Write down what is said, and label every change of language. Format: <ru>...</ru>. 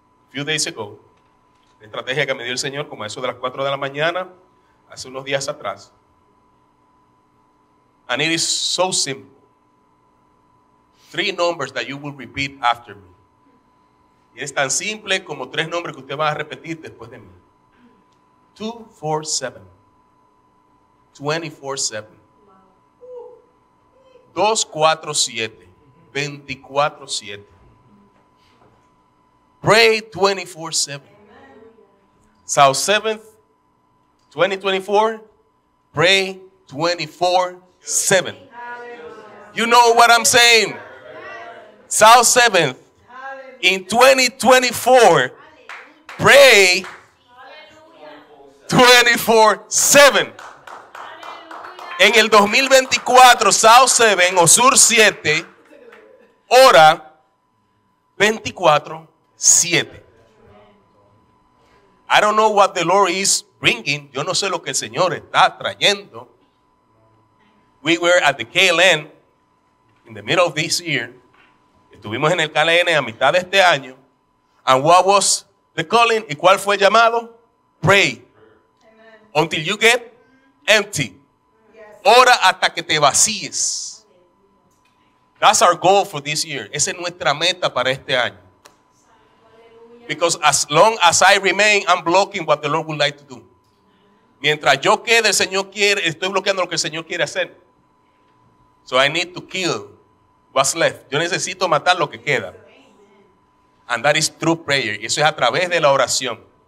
<en>Few days ago.</en> <es>La estrategia que me dio el Señor como a eso de las 4 de la mañana. Hace unos días atrás.</es> <en>And it is so simple. 3 numbers that you will repeat after me.</en> <es>Y es tan simple como tres nombres que usted va a repetir después de mí.</es> <en>247. 24/7. 247. 24/7. Pray 24/7. South 7th, 2024. Pray 24/7. You know what I'm saying? South 7th. In 2024, pray 24/7.</en> <es>En el 2024, South 7 o Sur 7, ora 24/7.</es> <en>I don't know what the Lord is bringing.</en> <es>Yo no sé lo que el Señor está trayendo.</es> <en>We were at the KLN in the middle of this year.</en> <es>Estuvimos en el KLN a mitad de este año.</es> <en>And what was the calling?</en> <es>¿Y cuál fue el llamado?</es> <en>Pray. Amen. Until you get empty. Yes.</en> <es>Ora hasta que te vacíes.</es> <en>That's our goal for this year.</en> <es>Esa es nuestra meta para este año.</es> <en>Because as long as I remain, I'm blocking what the Lord would like to do.</en> <es>Mientras yo quede, el Señor quiere, estoy bloqueando lo que el Señor quiere hacer.</es> <en>So I need to kill what's left.</en> <es>Yo necesito matar lo que queda.</es> <en>And that is true prayer.</en> <es>Y eso es a través de la oración.</es>